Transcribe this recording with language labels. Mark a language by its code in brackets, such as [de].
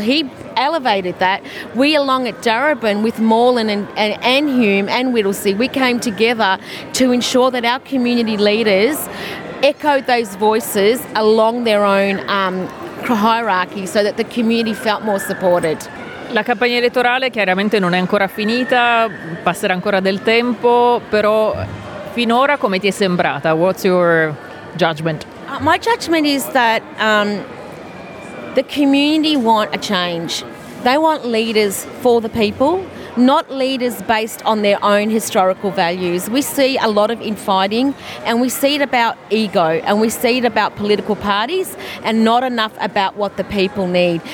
[en] He elevated that. We, along at Darebin with Morland and Hume and Whittlesea, we came together to ensure that our community leaders echoed those voices along their own hierarchy so that the community felt more supported. [it] La campagna elettorale chiaramente non è ancora finita, passerà ancora del tempo, però finora come ti è sembrata? [en] What's your judgment? My judgment is that the community want a change. They want leaders for the people, not leaders based on their own historical values. We see a lot of infighting, and we see it about ego, and we see it about political parties, and not enough about what the people need.